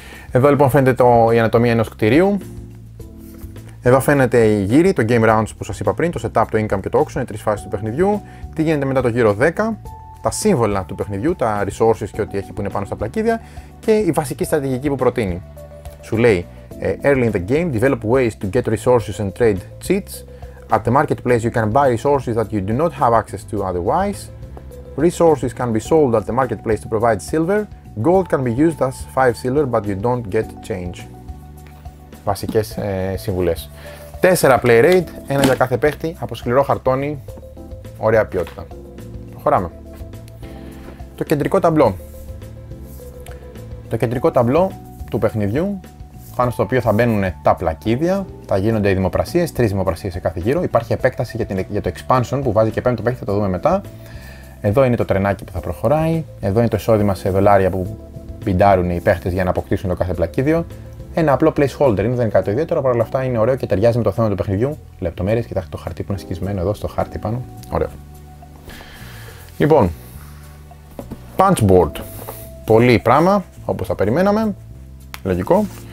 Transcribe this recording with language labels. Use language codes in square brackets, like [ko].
[el] Εδώ λοιπόν φαίνεται η ανατομία ενός κτηρίου. Εδώ φαίνεται η γύρη, το Game Rounds που σας είπα πριν, το Setup, το Income και το Auction, οι τρεις φάσεις του παιχνιδιού. Τι γίνεται μετά το γύρο 10, τα σύμβολα του παιχνιδιού, τα resources και ό,τι έχει που είναι πάνω στα πλακίδια και η βασική στρατηγική που προτείνει. Σου λέει, [en] early in the game, develop ways to get resources and trade cheats. At the marketplace you can buy resources that you do not have access to otherwise. Resources can be sold at the marketplace to provide silver. Gold can be used as 5 silver, but you don't get change. [el] Βασικές συμβουλές. 4 play rate, ένα για κάθε παίχτη, από σκληρό χαρτόνι, ωραία ποιότητα. Προχωράμε. Το κεντρικό ταμπλό. Το κεντρικό ταμπλό του παιχνιδιού, πάνω στο οποίο θα μπαίνουν τα πλακίδια, θα γίνονται οι δημοπρασίες, 3 δημοπρασίες σε κάθε γύρο. Υπάρχει επέκταση για το expansion που βάζει και 5 παίχτη, θα το δούμε μετά. Εδώ είναι το τρενάκι που θα προχωράει. Εδώ είναι το εισόδημα σε δολάρια που πιντάρουν οι παίχτες για να αποκτήσουν το κάθε πλακίδιο. Ένα απλό placeholder είναι, δεν είναι κάτι ιδιαίτερο. Παρ' όλα αυτά είναι ωραίο και ταιριάζει με το θέμα του παιχνιδιού. Λεπτομέρειες, κοιτάξτε το χαρτί που είναι σκισμένο εδώ στο χάρτη πάνω. Ωραίο. Λοιπόν, punch board. Πολύ πράγμα, όπως θα περιμέναμε. Λογικό.